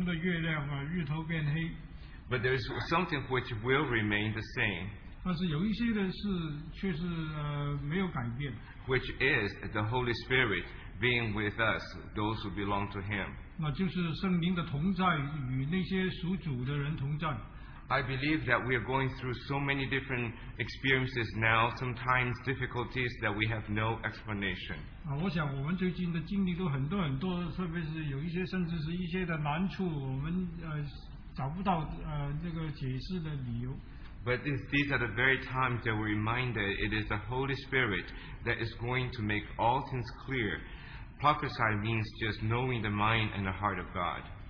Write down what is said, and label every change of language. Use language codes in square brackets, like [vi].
[zh] 这个预兆给我们看见就是有血红的月亮，日头变黑。 [en] But there is something which will remain the same. [zh] 但是有一些的事却是没有改变。 [en] Which is the Holy Spirit being with us, those who belong to Him. [zh] 那就是圣灵的同在与那些属主的人同在。 [en] I believe that we are going through so many different experiences now, sometimes difficulties that we have no explanation. [zh] 我想我们最近的经历都很多很多，特别是有一些甚至是一些的难处，我们找不到这个解释的理由。 [en] But these are the very times that we're reminded it is the Holy Spirit that is going to make all things clear. Prophesy means just knowing the mind and the heart of God.